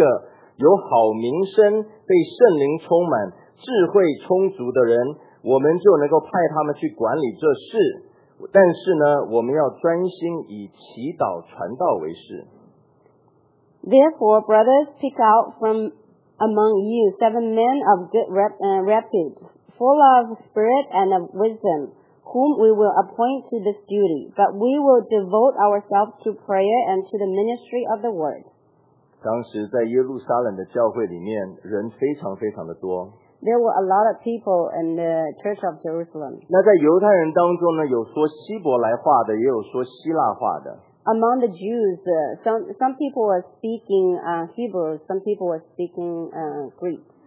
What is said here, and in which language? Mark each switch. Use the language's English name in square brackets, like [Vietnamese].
[Chinese] 然后第三节呢,他说,所以弟兄们,当从你们中间选出七个有好名声被圣灵充满, 智慧充足的人, 我们就能够派他们去管理这事。但是呢,我们要专心以祈祷传道为事。 [English] Therefore, brothers, pick out from among you seven men of good repute, full of spirit and of wisdom, whom we will appoint to this duty, but we will devote ourselves to prayer and to the ministry of the word. [Chinese] 当时在耶路撒冷的教会里面,人非常非常的多。 [English] There were a lot of people in the Church of Jerusalem. [Chinese] 那在犹太人当中呢,有说希伯来话的,也有说希腊话的。 [English] Among the Jews, some people were speaking Hebrew, some people were speaking Greek.